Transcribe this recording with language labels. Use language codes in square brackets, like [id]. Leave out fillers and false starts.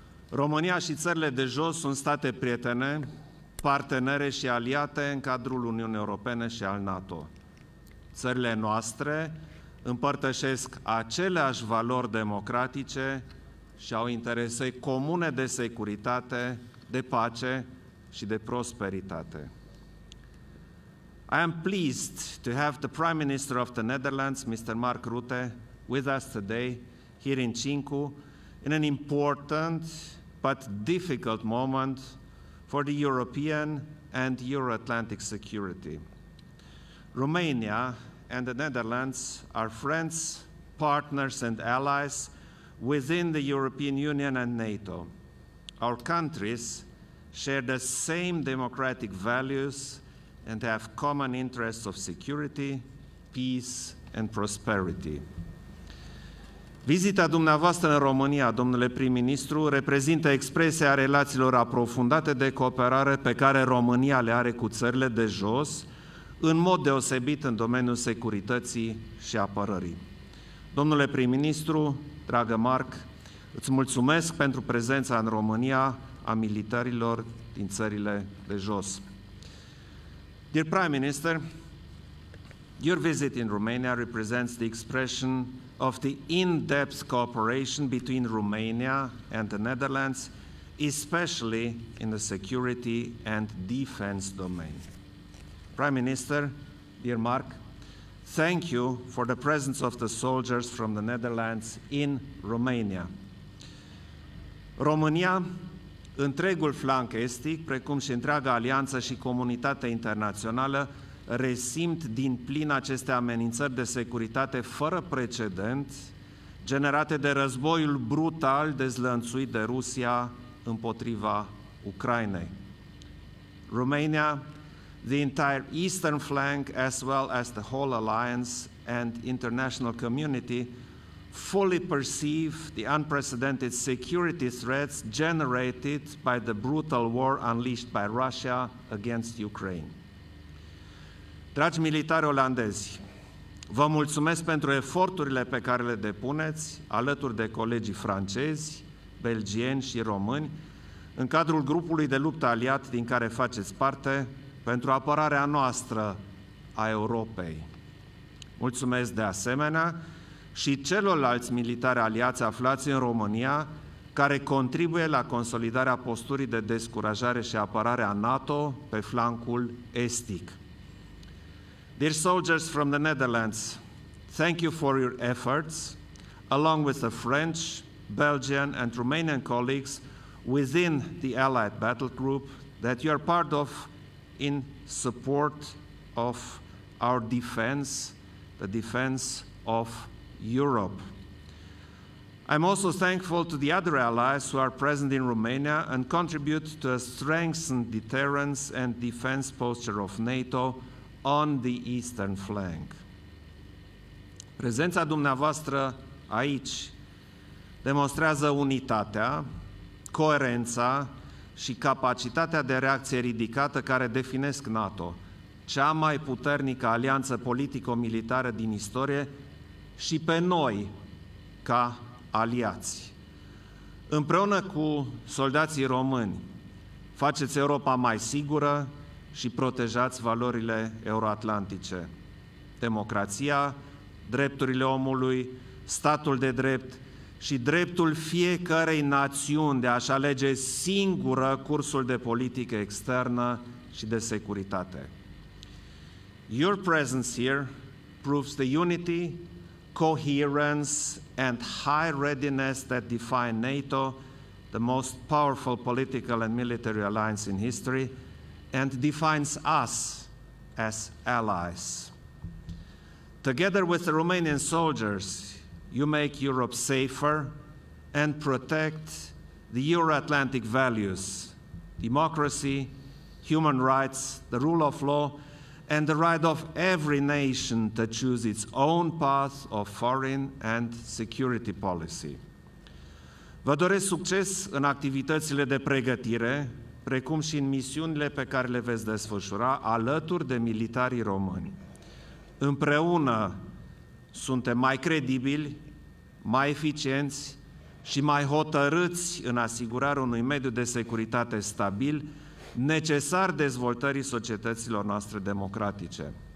[ro] România și Țările de Jos sunt state prietene, partenere și aliate în cadrul Uniunii Europene și al NATO. Țările noastre împărtășesc aceleași valori democratice și au interese comune de securitate, de pace și de prosperitate. [en] I am pleased to have the Prime Minister of the Netherlands, Mr. Mark Rutte, with us today here in Cincu in an important but difficult moment for the European and Euro-Atlantic security. Romania and the Netherlands are friends, partners and allies within the European Union and NATO. Our countries share the same democratic values and have common interests of security, peace and prosperity. [ro] Vizita dumneavoastră în România, domnule prim-ministru, reprezintă expresia relațiilor aprofundate de cooperare pe care România le are cu țările de jos, în mod deosebit în domeniul securității și apărării. Domnule prim-ministru, dragă Mark, îți mulțumesc pentru prezența în România a militarilor din țările de jos. [en] Dear Prime Minister, your visit in Romania represents the expression of the in-depth cooperation between Romania and the Netherlands, especially in the security and defense domain. Prime Minister, dear Mark, thank you for the presence of the soldiers from the Netherlands in Romania. [ro] România, întregul flanc estic, precum și întreaga alianță și comunitatea internațională, resimt din plin aceste amenințări de securitate fără precedent, generate de războiul brutal dezlănțuit de Rusia împotriva Ucrainei. [en] Romania, the entire eastern flank, as well as the whole alliance and international community, fully perceive the unprecedented security threats generated by the brutal war unleashed by Russia against Ukraine. [ro] Dragi militari olandezi, vă mulțumesc pentru eforturile pe care le depuneți alături de colegii francezi, belgieni și români în cadrul grupului de luptă aliat din care faceți parte pentru apărarea noastră a Europei. Mulțumesc de asemenea și celorlalți militari aliați aflați în România care contribuie la consolidarea posturii de descurajare și apărare a NATO pe flancul estic. [en] Dear soldiers from the Netherlands, thank you for your efforts, along with the French, Belgian and Romanian colleagues within the Allied Battle Group that you are part of in support of our defense, the defense of Europe. I'm also thankful to the other allies who are present in Romania and contribute to a strengthened deterrence and defense posture of NATO on the eastern flank. [ro] Prezența dumneavoastră aici demonstrează unitatea, coerența și capacitatea de reacție ridicată care definesc NATO, cea mai puternică alianță politico-militară din istorie și pe noi ca aliați. Împreună cu soldații români, faceți Europa mai sigură și protejați valorile euroatlantice. Democrația, drepturile omului, statul de drept și dreptul fiecărei națiuni de a-și alege singură cursul de politică externă și de securitate. [en] Your presence here proves the unity, coherence and high readiness that define NATO, the most powerful political and military alliance in history, and defines us as allies. Together with the Romanian soldiers, you make Europe safer and protect the Euro-Atlantic values, democracy, human rights, the rule of law, and the right of every nation to choose its own path of foreign and security policy. [ro] Vă doresc succes în activitățile de pregătire, precum și în misiunile pe care le veți desfășura alături de militarii români. Împreună suntem mai credibili, mai eficienți și mai hotărâți în asigurarea unui mediu de securitate stabil, necesar dezvoltării societăților noastre democratice.